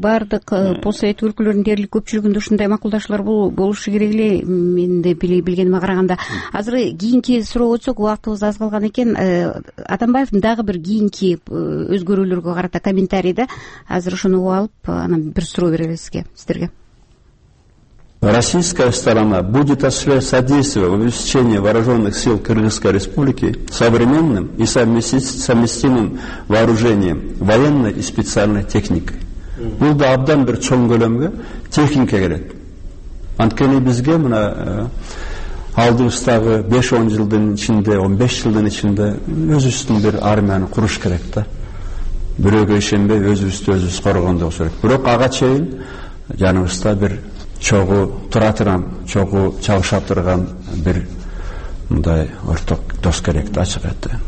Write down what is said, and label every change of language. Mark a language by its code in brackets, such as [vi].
[ky] Бардык постсоветтик өлкөлөрдүн дээрлик көпчүлүгүндө ушундай макулдашуулар болушу керек эле менде билгенимге караганда. Азыр кийинки суроого өтсөк, убактыбыз аз калган экен. Атамбаевдин дагы бир кийинки өзгөрүүлөргө карата комментарийде азыр ушуну угуп алып, анан бир суроо беребиз сизге, сиздерге. [ru] Российская сторона будет осуществлять содействие в обеспечении вооруженных сил Кыргызской Республики современным и совместимым вооружением военной и специальной техникой. [ky] Бул да абдан бир чоң көлөмгө техника керек. Анткени бизге мына алдыбыздагы 5-10 жылдын ичинде, 15 жылдын ичинде өзүбүздүн бир армияны куруш керек да. Бирөөгө ишенбей өзүбүздү өзүбүз коргондугубуз керек. Бирок ага чейин жаныбызда бир чогуу тура турган, чогуу чалыша турган бир мындай орток дос керек да, ачык айтты.